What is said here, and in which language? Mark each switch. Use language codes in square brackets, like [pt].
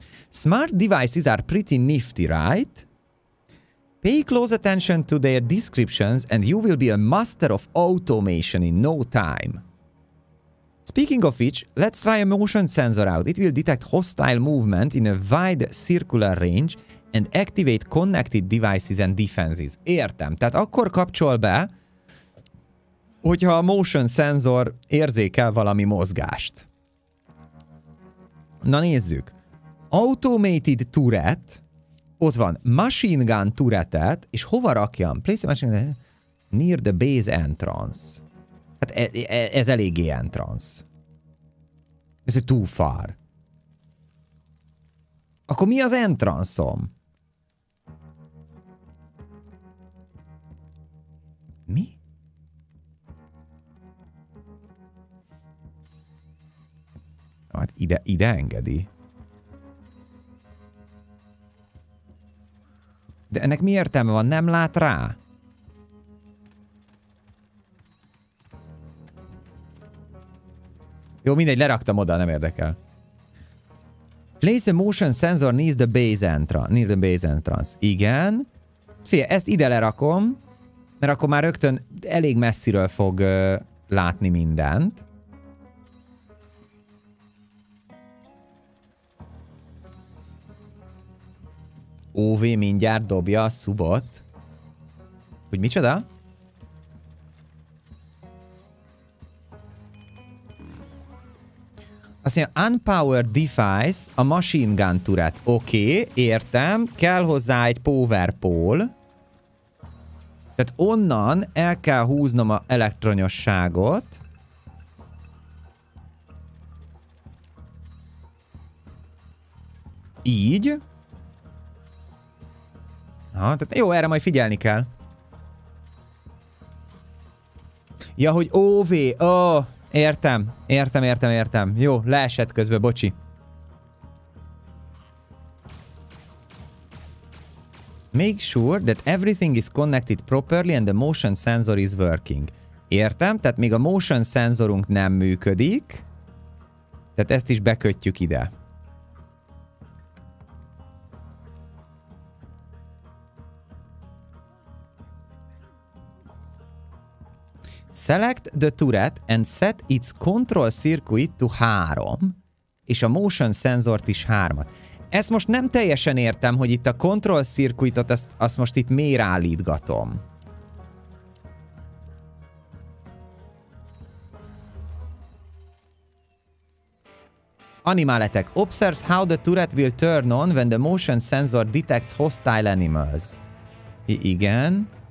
[en] Smart devices are pretty nifty, right? Pay close attention to their descriptions and you will be a master of automation in no time. Speaking of which, let's try a motion sensor out. It will detect hostile movement in a wide circular range and activate connected devices and defenses. [hu] Értem. Tehát akkor kapcsol be, hogyha a motion sensor érzékel valami mozgást. Na nézzük. Automated turret. Ott van. Machine gun turretet. És hova rakjam? [en] Place a machine gun. Near the base entrance. [hu] Hát ez eléggé [en] entrance. [hu] Ez [en] too far. [hu] Akkor mi az entrance-om? Mi? Hát ide engedi. De ennek mi értelme van? Nem lát rá? Jó, mindegy, leraktam oda, nem érdekel. [en] Place a motion sensor near the base entrance. [hu] Igen. Figyelj, ezt ide lerakom, mert akkor már rögtön elég messziről fog látni mindent. OV mindjárt dobja a szubot. Hogy micsoda? Azt mondja, unpowered device, a machine gun turret. Oké, okay, értem. Kell hozzá egy power pole. Tehát onnan el kell húznom a elektronosságot. Így. Ha, tehát jó, erre majd figyelni kell. Ja, hogy OV, ó, értem. Jó, leesett közben, bocsi. [en] Make sure that everything is connected properly and the motion sensor is working. [hu] Értem, tehát még a motion sensorunk nem működik. Tehát ezt is bekötjük ide. [en] Select the turret and set its control circuit to 3, [hu] és a motion sensort is 3-at. Ezt most nem teljesen értem, hogy itt a control circuitot, azt most itt miért állítgatom. [en] Animal attack. Observes how the turret will turn on when the motion sensor detects hostile animals. [hu] Igen.